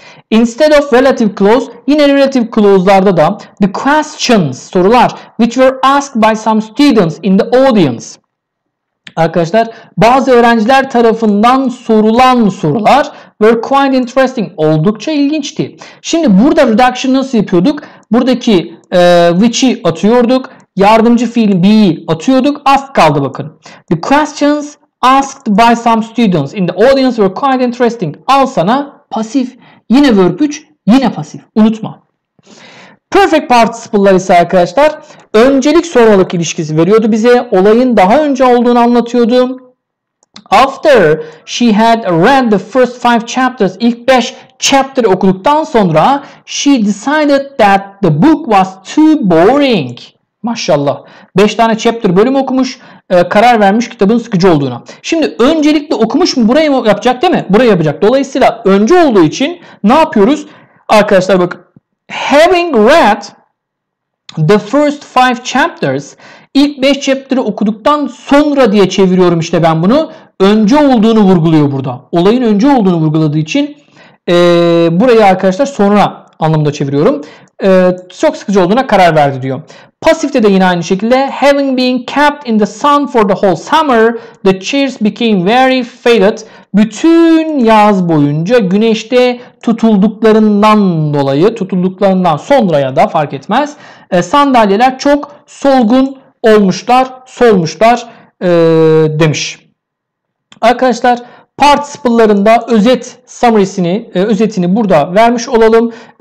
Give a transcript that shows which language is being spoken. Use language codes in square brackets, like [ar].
[en] Instead of relative clause, [tr] yine relative clause'larda da [en] the questions, [tr] sorular [en] which were asked by some students in the audience. [tr] Arkadaşlar, bazı öğrenciler tarafından sorulan sorular [en] were quite interesting, [tr] oldukça ilginçti. Şimdi burada reduction nasıl yapıyorduk? Buradaki which'i atıyorduk. Yardımcı fiil be'yi atıyorduk. Ask kaldı bakın. [en] The questions asked by some students in the audience were quite interesting. [tr] Al sana pasif. Yine verb 3, yine pasif. Unutma. Perfect participle'lar ise arkadaşlar öncelik sonralık ilişkisi veriyordu bize. Olayın daha önce olduğunu anlatıyordu. [en] After she had read the first 5 chapters, [tr] ilk 5 chapter okuduktan sonra [en] she decided that the book was too boring. [tr] Maşallah. 5 tane chapter bölüm okumuş. Karar vermiş kitabın sıkıcı olduğuna. Şimdi öncelikle okumuş mu, burayı mı yapacak değil mi? Burayı yapacak. Dolayısıyla önce olduğu için ne yapıyoruz? Arkadaşlar bakın. [en] Having read the first 5 chapters, [tr] ilk 5 chapter'ı okuduktan sonra diye çeviriyorum işte ben bunu. Önce olduğunu vurguluyor burada. Olayın önce olduğunu vurguladığı için burayı arkadaşlar sonra anlamında çeviriyorum. Çok sıkıcı olduğuna karar verdi diyor. Pasifte de yine aynı şekilde. [en] Having been kept in the sun for the whole summer, the chairs became very faded. [tr] Bütün yaz boyunca güneşte tutulduklarından dolayı, tutulduklarından sonra ya da fark etmez, sandalyeler çok solgun olmuşlar, solmuşlar demiş. Arkadaşlar, participle'larında özet summary'sini, özetini burada vermiş olalım.